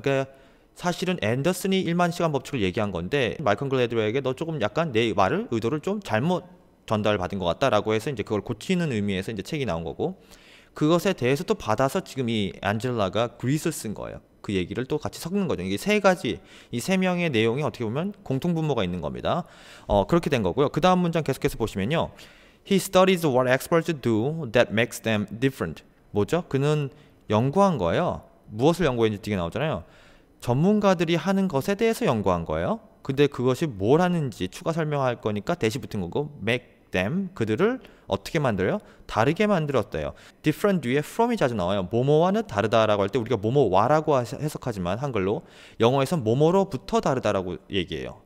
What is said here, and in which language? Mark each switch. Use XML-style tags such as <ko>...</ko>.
<ko>그러니까 사실은 앤더슨이 1만 시간 법칙을 얘기한 건데 말콤 글래드웰에게 너 조금 약간 내 말을 의도를 좀 잘못 전달받은 것 같다라고 해서 이제 그걸 고치는 의미에서 이제 책이 나온 거고 그것에 대해서 또 받아서 지금 이 안젤라가 그릿을 쓴 거예요. 그 얘기를 또 같이 섞는 거죠. 이게 세 가지, 이 세 명의 내용이 어떻게 보면 공통분모가 있는 겁니다. 그렇게 된 거고요. 그 다음 문장 계속해서 보시면요.</ko> <en>He studies what experts do that makes them different.</en> <ko>뭐죠? 그는 연구한 거예요. 무엇을 연구했는지 뒤에 나오잖아요. 전문가들이 하는 것에 대해서 연구한 거예요. 근데 그것이 뭘 하는지 추가 설명할 거니까 대시 붙은 거고 make them, 그들을 어떻게 만들어요? 다르게 만들었대요. different 뒤에 from이 자주 나와요. 뭐뭐와는 다르다라고 할 때 우리가 뭐뭐와라고 해석하지만 한글로 영어에선 뭐뭐로부터 다르다라고 얘기해요.</ko>